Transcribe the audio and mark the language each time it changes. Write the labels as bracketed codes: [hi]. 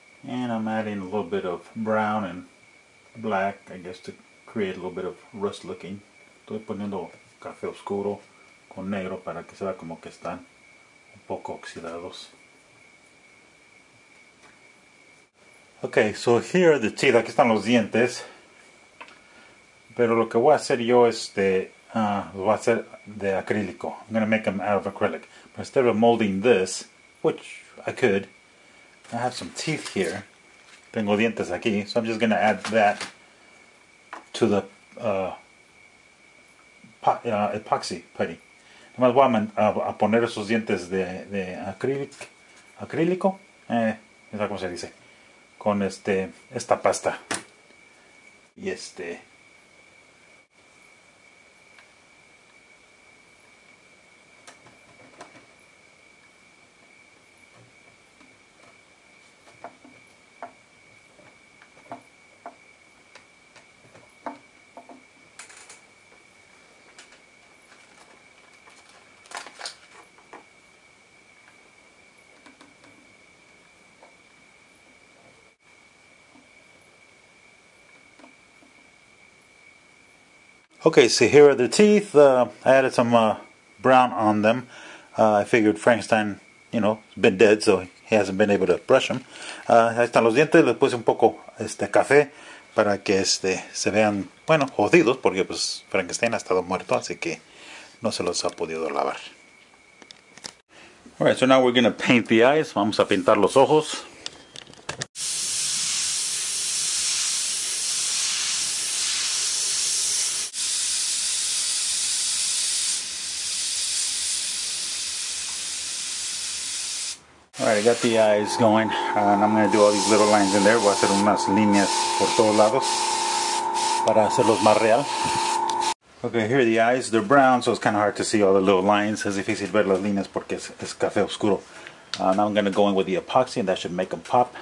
[en] And I'm adding a little bit of brown and black, I guess, to create a little bit of rust looking. [es] Estoy poniendo café oscuro con negro para que se vea como que están un poco oxidados. [en] Okay, so here are the teeth. [es] Aquí están los dientes. Pero lo que voy a hacer yo es [en] Well, I said the acrílico. I'm going to make them out of acrylic. But instead of molding this, which I could, I have some teeth here. [es] Tengo dientes aquí. [en] So I'm just going to add that to the epoxy putty. [es] Además, voy a poner esos dientes de acrílico. Es como se dice. Con esta pasta. Y [en] okay, so here are the teeth. I added some brown on them. I figured Frankenstein, you know, has been dead, so he hasn't been able to brush them. [es] Ahí están los dientes. Les puse un poco café para que se vean, bueno, jodidos, porque pues Frankenstein ha estado muerto, así que no se los ha podido lavar. [en] Alright, so now we're going to paint the eyes. [es] Vamos a pintar los ojos. [en] Alright, I got the eyes going, and I'm going to do all these little lines in there. [es] Voy a hacer unas líneas por todos lados para hacerlos más real. [en] Okay, here are the eyes. They're brown, so it's kind of hard to see all the little lines. [es] Es difícil ver las líneas porque es café oscuro. [en] Now I'm going to go in with the epoxy, and that should make them pop.